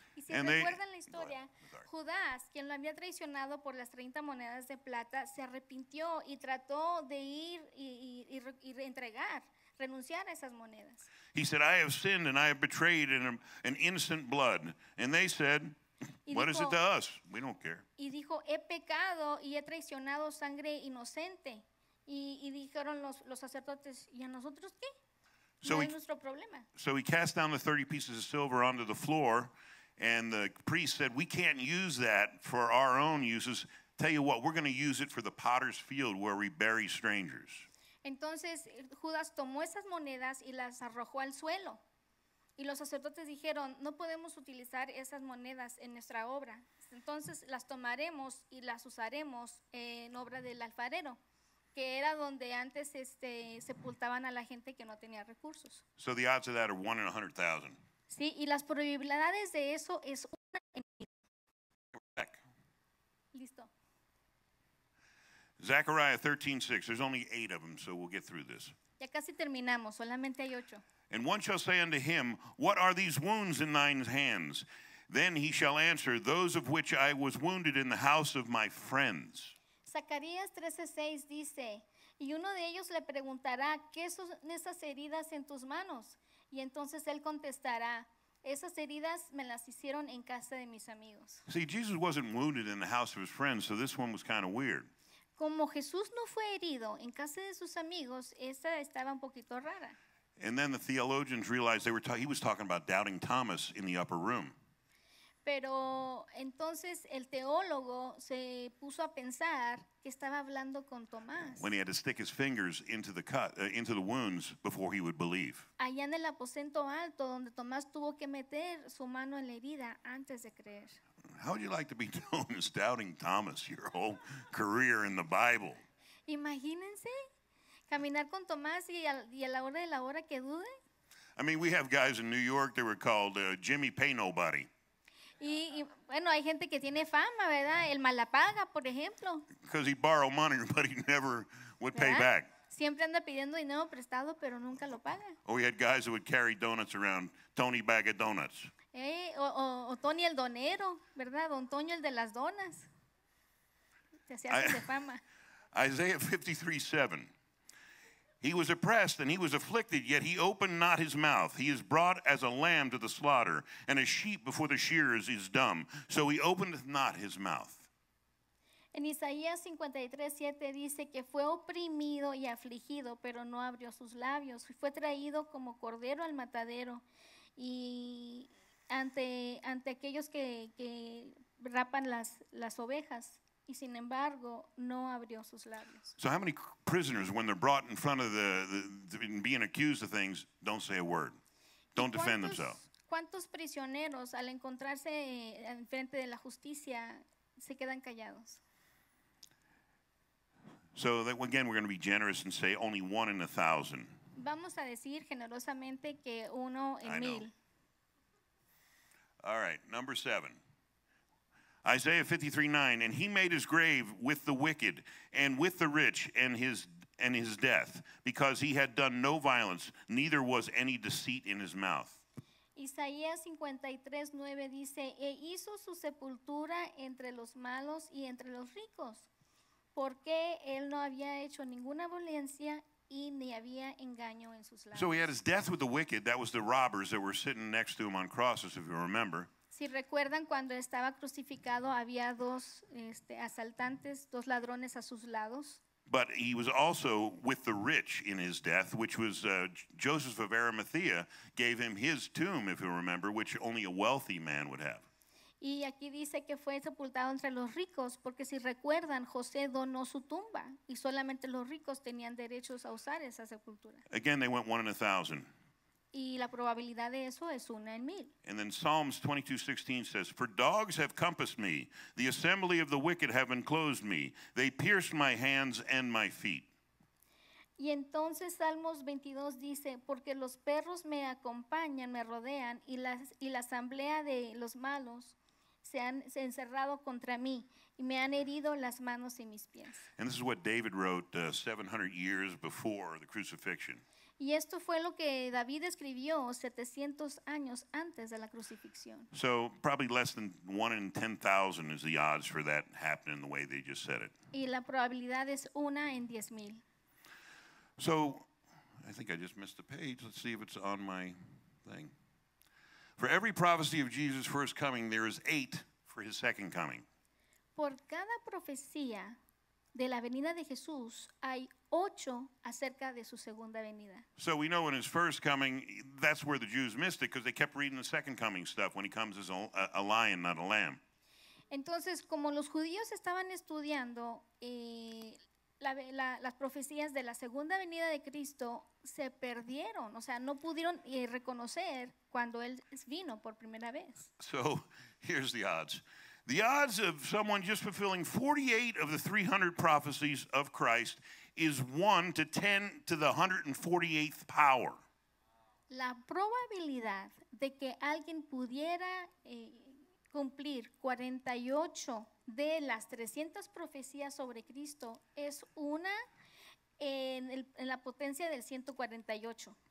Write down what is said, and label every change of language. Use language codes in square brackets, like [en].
[en] And they, [es] recuerdan la historia, Judas, quien lo había traicionado por las 30 monedas de plata, se arrepintió y trató de ir y entregar, renunciar a esas monedas. [en] He said, I have sinned and I have betrayed in an innocent blood. And they said, what is it to us? We don't care. [es] Y dijo, he pecado y he traicionado sangre inocente. Y dijeron los sacerdotes, ¿y a nosotros qué? No es nuestro problema. [en] So he cast down the 30 pieces of silver onto the floor, and the priest said, we can't use that for our own uses. Tell you what, we're going to use it for the potter's field where we bury strangers. [es] Entonces Judas tomó esas monedas y las arrojó al suelo. Y los sacerdotes dijeron, no podemos utilizar esas monedas en nuestra obra. Entonces las tomaremos y las usaremos en obra del alfarero. que era donde antes sepultaban a la gente que no tenía recursos. [en] So the odds of that are 1 in 100,000. [es] Sí, y las probabilidades de eso es 1 en 1,000. Listo. [en] Zechariah 13:6. There's only 8 of them, so we'll get through this. [es] Ya casi terminamos, solamente hay 8. [en] And one shall say unto him, what are these wounds in thine hands? Then he shall answer, those of which I was wounded in the house of my friends. [es] Zacarías 13:6 dice, y uno de ellos le preguntará, ¿qué son esas heridas en tus manos? Y entonces él contestará, esas heridas me las hicieron en casa de mis amigos. [en] See, Jesus wasn't wounded in the house of his friends, so this one was kind of weird. [es] Como Jesús no fue herido en casa de sus amigos, esta estaba un poquito rara. [en] And then the theologians realized he was talking about doubting Thomas in the upper room. [es] Pero entonces el teólogo se puso a pensar que estaba hablando con Tomás. [en] When he had to stick his fingers into the cut, into the wounds before he would believe. [es] Allá en el aposento alto donde Tomás tuvo que meter su mano en la herida antes de creer. [en] How would you like to be known as doubting Thomas your whole career in the Bible? [es] Imagínense caminar con Tomás y a la hora de la hora que dude. [en] I mean, we have guys in New York that were called Jimmy Pay Nobody. [es] Y bueno, hay gente que tiene fama, ¿verdad? El Malapaga, por ejemplo. [en] Because he borrowed money, but he never would pay back. [es] Siempre anda pidiendo dinero prestado, pero nunca lo paga. [en] Or we had guys that would carry donuts around, Tony Bag of Donuts. [es] O Tony el Donero, ¿verdad? O Antonio el de las Donas. [en] Isaiah 53:7. He was oppressed and he was afflicted, yet he opened not his mouth. He is brought as a lamb to the slaughter, and a sheep before the shearers is dumb. So he opened not his mouth. [es] En Isaías 53:7 dice que fue oprimido y afligido, pero no abrió sus labios. Fue traído como cordero al matadero, y ante aquellos que rapan las ovejas. Y sin embargo, no abrió sus labios. [en] So how many prisoners, when they're brought in front of the being accused of things, don't say a word? Don't defend themselves. [es] ¿Cuántos prisioneros, al encontrarse en frente de la justicia, se quedan callados? [en] So that, again, we're going to be generous and say only 1 in 1,000. [es] Vamos a decir generosamente que 1 in 1,000. [en] All right, number 7. Isaiah 53:9, and he made his grave with the wicked and with the rich and his death, because he had done no violence, neither was any deceit in his mouth. [es] Isaías 53:9 dice, e hizo su sepultura entre los malos y entre los ricos, porque él no había hecho ninguna violencia y ni había engaño en sus labios. [en] So he had his death with the wicked. That was the robbers that were sitting next to him on crosses, if you remember. [es] Si recuerdan, cuando estaba crucificado, había dos asaltantes, dos ladrones a sus lados. [en] But he was also with the rich in his death, which was Joseph of Arimathea gave him his tomb, if you remember, which only a wealthy man would have. [es] Y aquí dice que fue sepultado entre los ricos, porque si recuerdan, José donó su tumba, y solamente los ricos tenían derechos a usar esa sepultura. [en] Again, they went 1 in 1,000. [es] Y la probabilidad de eso es 1 in 1,000. [en] And then Psalms 22:16 says, for dogs have compassed me, the assembly of the wicked have enclosed me, they pierced my hands and my feet. [es] Y entonces Salmos 22 dice, porque los perros me acompañan, me rodean, y la asamblea de los malos se han encerrado contra mí, y me han herido las manos y mis pies. [en] And this is what David wrote 700 years before the crucifixion. [es] Y esto fue lo que David escribió 700 años antes de la crucifixión. [en] So probably less than 1 in 10,000 is the odds for that happening the way they just said it. [es] Y la probabilidad es 1 in 10,000. [en] So I think I just missed a page. Let's see if it's on my thing. For every prophecy of Jesus' first coming, there is 8 for his second coming. [es] Por cada profecía de la venida de Jesús hay 8 acerca de su segunda venida. [en] So we know in his first coming, that's where the Jews missed it, because they kept reading the second coming stuff when he comes as a lion, not a lamb. [es] Entonces, como los judíos estaban estudiando las profecías de la segunda venida de Cristo, se perdieron, o sea, no pudieron reconocer cuando él vino por primera vez. [en] So here's the odds. The odds of someone just fulfilling 48 of the 300 prophecies of Christ is 1 to 10 to the 148th power. [es] La probabilidad de que alguien pudiera cumplir 48 de las 300 profecías sobre Cristo es una en la potencia del 148.